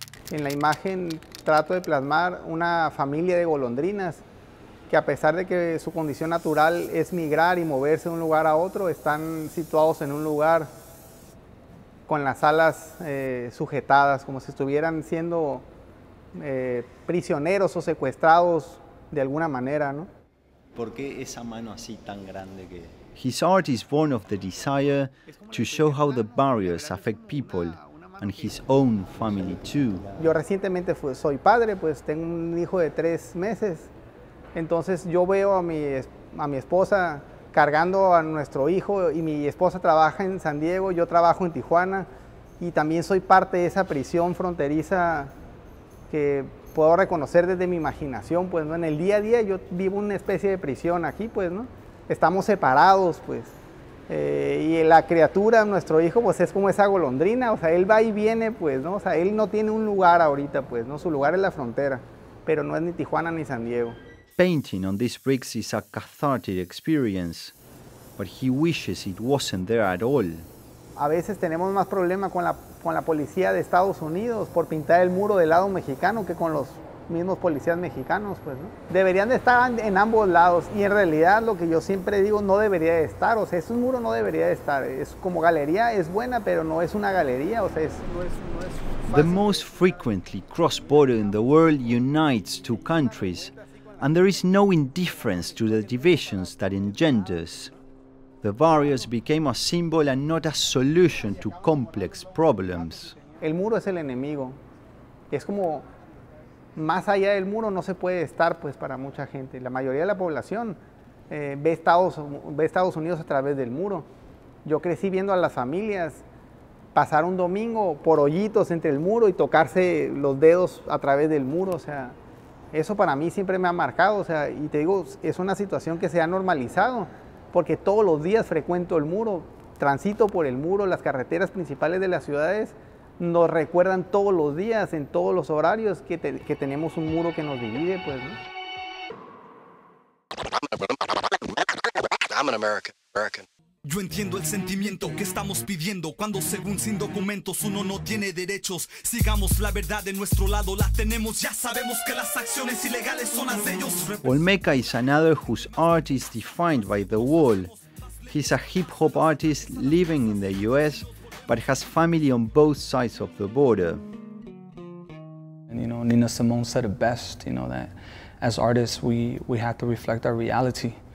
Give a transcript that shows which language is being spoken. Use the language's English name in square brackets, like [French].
[Spanish] En la imagen trato de plasmar una familia de golondrinas que a pesar de que su condición natural es migrar y moverse de un lugar a otro, están situados en un lugar con las alas sujetadas, como si estuvieran siendo prisioneros o secuestrados de alguna manera, ¿no? ¿Por qué esa mano así tan grande que...? [English] His art is born of the desire to show how the barriers affect people and his own family too. [Spanish] Yo recientemente soy padre, pues tengo un hijo de 3 meses. Entonces yo veo a mi esposa cargando a nuestro hijo y mi esposa trabaja en San Diego, yo trabajo en Tijuana y también soy parte de esa prisión fronteriza que puedo reconocer desde mi imaginación, pues, ¿no? En el día a día yo vivo una especie de prisión aquí, pues, ¿no? Estamos separados, pues, y la criatura, nuestro hijo, pues es como esa golondrina, o sea, él va y viene, pues, ¿no? O sea, él no tiene un lugar ahorita, pues, ¿no? Su lugar es la frontera, pero no es ni Tijuana ni San Diego. [English] Painting on these bricks is a cathartic experience, but he wishes it wasn't there at all. [Spanish] A veces tenemos más problema con la policía de Estados Unidos por pintar el muro del lado mexicano que con los mismos policías mexicanos, pues, ¿no? Deberían de estar en ambos lados y en realidad lo que yo siempre digo no debería de estar, o sea, es un muro, no debería de estar. Es como galería, es buena, pero no es una galería, o sea, es... [English] The most frequently cross-border in the world unites two countries, and there is no indifference to the divisions that engenders. The barriers became a symbol and not a solution to complex problems. [Spanish] El muro es el enemigo. Es como más allá del muro no se puede estar, pues, para mucha gente. La mayoría de la población ve Estados Unidos a través del muro. Yo crecí viendo a las familias pasar un domingo por hoyitos entre el muro y tocarse los dedos a través del muro. O sea, eso para mí siempre me ha marcado. O sea, y te digo, es una situación que se ha normalizado porque todos los días frecuento el muro, transito por el muro, las carreteras principales de las ciudades nos recuerdan todos los días, en todos los horarios, que tenemos un muro que nos divide, pues, ¿no? [English] I'm an American. [Spanish] Yo entiendo el sentimiento que estamos pidiendo cuando, según sin documentos, uno no tiene derechos. Sigamos la verdad de nuestro lado, la tenemos. Ya sabemos que las acciones ilegales son las de ellos. [English] Olmeca is another whose art is defined by the wall. He's a hip-hop artist living in the U.S., but has family on both sides of the border. And, you know, Nina Simone said it best, you know, that as artists, we have to reflect our reality.